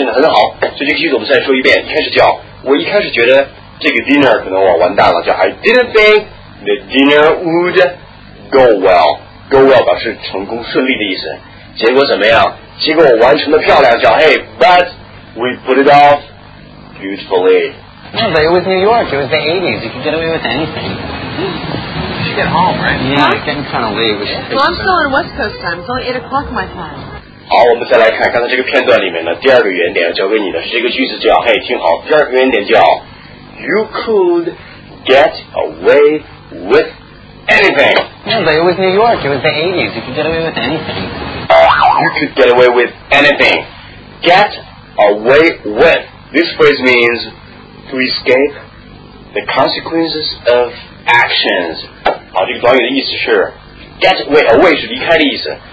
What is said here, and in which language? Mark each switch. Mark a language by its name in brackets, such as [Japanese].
[Chinese] 这句话的意思是，一开始我在想，恐怕要完蛋，恐怕这顿饭要做不好。后来我完成的非常好，表示这个事情我搞定了，我表现得很好。所以这个句子我们再说一遍，一开始叫 我一开始觉得这个dinner可能我完蛋了，叫 [English] I didn't think the dinner would go well. Go well [Chinese] 表示成功顺利的意思。结果怎么样？结果我完成的漂亮叫 [English] Hey, but we put it off beautifully. No, but it was New York. It was the 80s. You could get away with anything. You should get home, right? Yeah, huh? Getting kind of late. Well, I'm still on West Coast time. It's only 8 o'clock my time. [Chinese] 好，我们再来看刚才这个片段里面的第二个原点，要教给你的是这个句子叫 Hey, 听好。第二个原点叫 [English] You could get away with anything. No, but it was New York. It was the 80s. You could get away with anything. You could get away with anything. Get away with. This phrase means to escape the consequences of actions. [Chinese] 好，这个短语的意思是 get away. Away 是离开的意思。